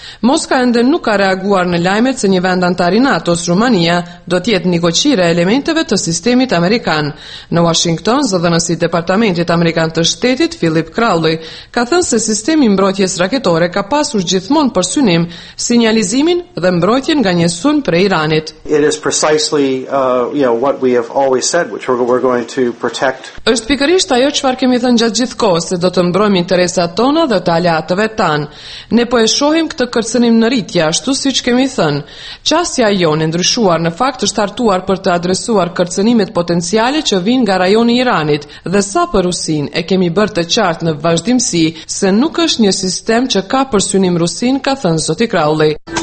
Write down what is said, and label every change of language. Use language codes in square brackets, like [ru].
[sq] Moska ende nuk ka reaguar në lajmet se një vend antar i NATO-s, Rumania, do të jetë negociere elementeve të sistemit amerikan. Në Washington, zëdhënës i Departamentit Amerikan të Shtetit, Philip Crowley, ka thënë se sistemi mbrojtjes raketore ka pasur gjithmonë për synim sinjalizimin dhe mbrojtjen nga një sulm prej Iranit. [en] It is precisely, what we have always said, which we're going to protect. [sq] Është pikërisht ajo çfarë kemi thënë gjatë gjithkohës, se do të mbrojmë interesat tona dhe të aleatëve tan. Ne po e shohim të kërcënim në rritje, ashtu siç kemi thënë. Qasja jonë ndryshuar në fakt është hartuar për të adresuar kërcënimet potenciale që vijnë nga rajoni i Iranit, dhe sa për Rusin e kemi bërë të qartë në vazhdimsi se nuk është një sistem që ka për synim Rusin, ka thënë zoti Crowley.